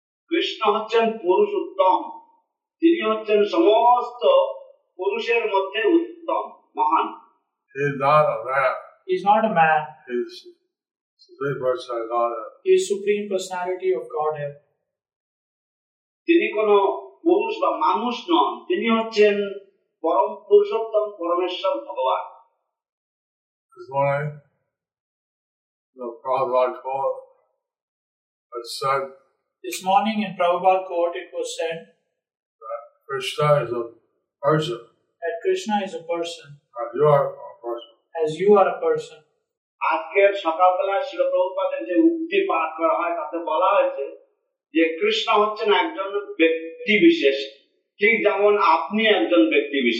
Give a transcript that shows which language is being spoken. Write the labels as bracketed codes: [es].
[bn] কৃষ্ণ হচ্ছেন পুরুষোত্তম তিনি হচ্ছেন সমস্ত পুরুষের মধ্যে উত্তম মহান [en] He is not a man. He is not a man. He is the Supreme Personality of Godhead. He is Supreme Personality of Godhead. [bn] তিনি কোন পুরুষ বা মানুষ নন তিনি হচ্ছেন পরম পুরুষোত্তম পরমেশ্বর ভগবান [en] This morning, the Prabhupada court has said This morning in Prabhupada court it was said that Krishna is a person. That Krishna is a person. And you are As you are a person. [bn] আজকের সকালবেলা শিল প্রভুপাদের যে উক্তি পাঠ করা হয় তাতে বলা হয়েছে যে কৃষ্ণ হচ্ছেন একজন ব্যক্তি বিশেষ ঠিক যেমন আপনি একজন ব্যক্তি